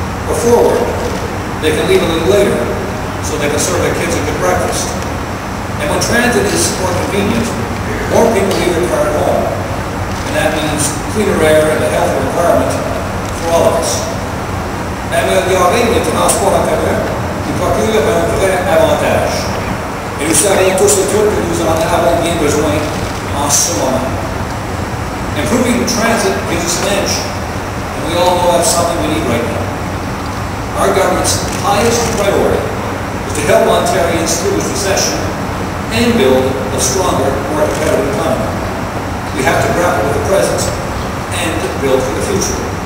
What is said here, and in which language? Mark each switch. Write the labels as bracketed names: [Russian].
[English] Before work, they can leave a little later so they can serve their kids a good breakfast. And when transit is more convenient, more people leave their car at home. And that means cleaner air and a healthier environment for all of us. And we have already been to ask one another, [French] qui procure un vrai avantage. Et nous savons tous et toutes que nous en avons bien besoin en ce moment. [English] Improving transit gives us an edge, and we all know that's something we need right now. Our government's highest priority is to help Ontarians through this recession and build a stronger, more competitive economy. We have to grapple with the present and build for the future.